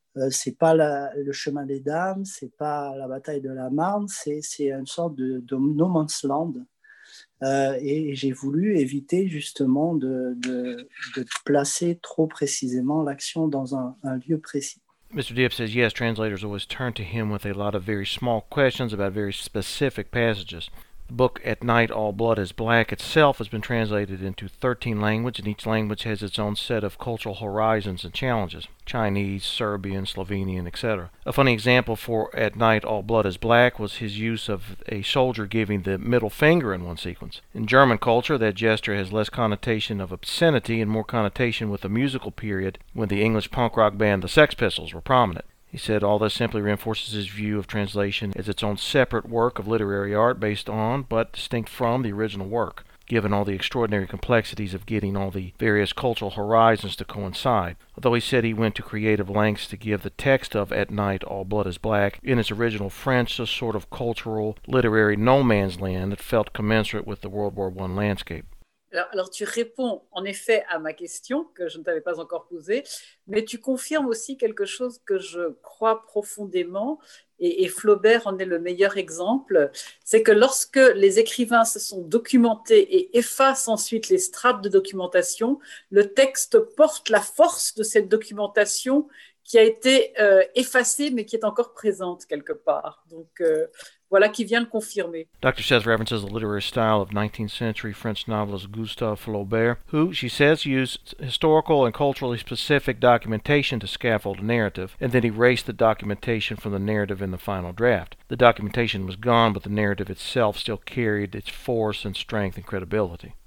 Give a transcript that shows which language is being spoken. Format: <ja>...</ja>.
<fr>C'est pas le chemin des dames, c'est pas la bataille de la Marne, c'est une sorte de no man's land. Et j'ai voulu éviter justement de placer trop précisément l'action dans un lieu précis.</fr> <en>Mr. Diop says, yes, translators always turn to him with a lot of very small questions about very specific passages. The book At Night, All Blood is Black itself has been translated into 13 languages, and each language has its own set of cultural horizons and challenges, Chinese, Serbian, Slovenian, etc. A funny example for At Night, All Blood is Black was his use of a soldier giving the middle finger in one sequence. In German culture, that gesture has less connotation of obscenity and more connotation with the musical period when the English punk rock band The Sex Pistols were prominent. He said, all this simply reinforces his view of translation as its own separate work of literary art based on, but distinct from, the original work, given all the extraordinary complexities of getting all the various cultural horizons to coincide. Although he said he went to creative lengths to give the text of At Night, All Blood is Black, in its original French, a sort of cultural, literary no-man's land that felt commensurate with the World War I landscape.</en> <fr>Alors, tu réponds en effet à ma question que je ne t'avais pas encore posée, mais tu confirmes aussi quelque chose que je crois profondément, et Flaubert en est le meilleur exemple, c'est que lorsque les écrivains se sont documentés et effacent ensuite les strates de documentation, le texte porte la force de cette documentation qui a été effacée mais qui est encore présente quelque part. Donc, voilà qui vient le confirmer.</fr> <en>Dr. Says references the literary style of 19th century French novelist Gustave Flaubert, who, she says, used historical and culturally specific documentation to scaffold a narrative, and then erased the documentation from the narrative in the final draft. The documentation was gone, but the narrative itself still carried its force and strength and credibility.</en>